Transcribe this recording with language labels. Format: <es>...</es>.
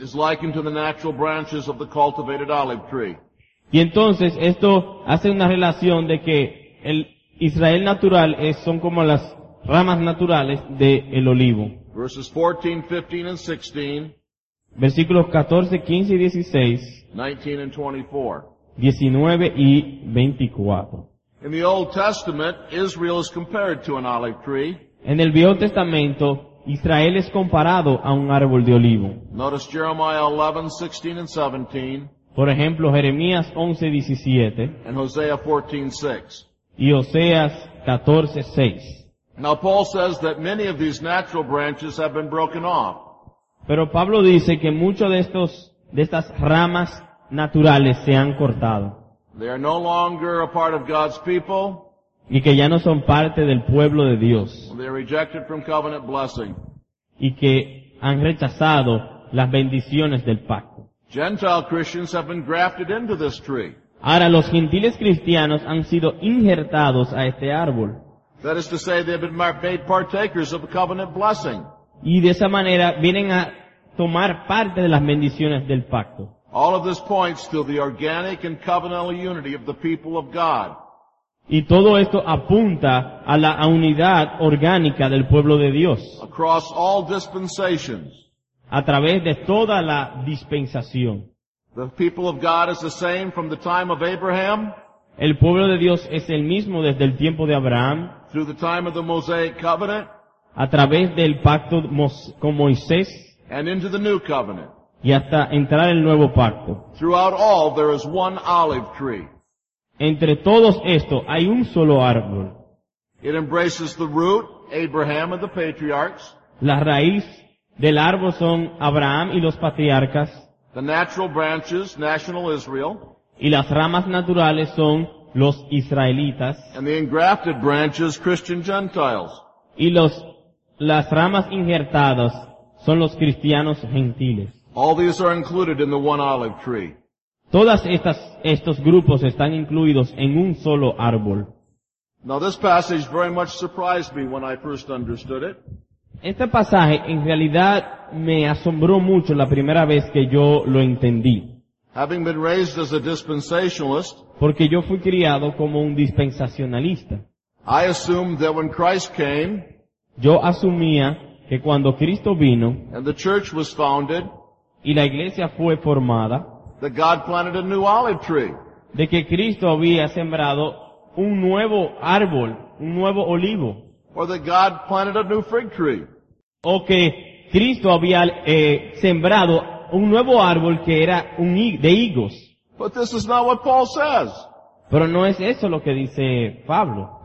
<en>Is likened to the natural branches of the cultivated olive tree.</en> <es>Y entonces esto hace una relación de que el Israel natural son como las ramas naturales del olivo.</es> <en>Verses 14, 15 and 16.</en> <es>Versículos 14, 15 y 16.</es> <en>19 and 24.</en> <es>19 y 24.</es> <en>In the Old Testament, Israel is compared to an olive tree.</en> <es>En el Viejo Testamento, Israel es comparado a un árbol de olivo.</es> <en>Notice Jeremiah 11, 16 and 17.</en> <es>Por ejemplo, Jeremías 11, 17.</es> <en>And Hosea 14, 6.</en> <es>Y Oseas 14, 6.</es> <en>Now Paul says that many of these natural branches have been broken off.</en> <es>Pero Pablo dice que muchos de estas ramas naturales se han cortado.</es> <en>They are no longer a part of God's people.</en> <es>Y que ya no son parte del pueblo de Dios.</es> <en>They are rejected from covenant blessing.</en> <es>Y que han rechazado las bendiciones del pacto.</es> <en>Gentile Christians have been grafted into this tree.</en> <es>Ahora los gentiles cristianos han sido injertados a este árbol.</es> <en>That is to say, they have been made partakers of a covenant blessing.</en> <es>Y de esa manera vienen a tomar parte de las bendiciones del pacto.</es> <en>All of this points to the organic and covenantal unity of the people of God.</en> <es>Y todo esto apunta a la unidad orgánica del pueblo de Dios.</es> <en>Across all dispensations.</en> <es>A través de toda la dispensación.</es> <en>The people of God is the same from the time of Abraham.</en> <es>El pueblo de Dios es el mismo desde el tiempo de Abraham.</es> <en>Through the time of the Mosaic covenant.</en> <es>A través del pacto con Moisés.</es> <en>And into the new covenant.</en> <es>Y hasta entrar el nuevo pacto.</es> <en>Throughout all, there is one olive tree.</en> <es>Entre todos estos, hay un solo árbol.</es> <en>It embraces the root, Abraham and the patriarchs.</en> <es>La raíz del árbol son Abraham y los patriarcas.</es> <en>The natural branches, national Israel.</en> <es>Y las ramas naturales son los israelitas.</es> <en>And the engrafted branches, Christian Gentiles.</en> <es>Y las ramas injertadas son los cristianos gentiles.</es> <en>All these are included in the one olive tree.</en> <es>Todas estos grupos están incluidos en un solo árbol.</es> <en>Now this passage very much surprised me when I first understood it.</en> <es>Este pasaje en realidad me asombró mucho la primera vez que yo lo entendí.</es> <en>Having been raised as a dispensationalist,</en> <es>porque yo fui criado como un dispensacionalista.</es> <en>I assumed that when Christ came,</en> <es>yo asumía que cuando Cristo vino,</es> <en>and the church was founded,</en> <es>y la iglesia fue formada,</es> <en>that God planted a new olive tree,</en> <es>de que Cristo había sembrado un nuevo árbol, un nuevo olivo,</es> <en>or that God planted a new fig tree,</en> <es>o que Cristo había sembrado un nuevo árbol que era de higos.</es> <en>But this is not what Paul says.</en> <es>Pero no es eso lo que dice Pablo.</es>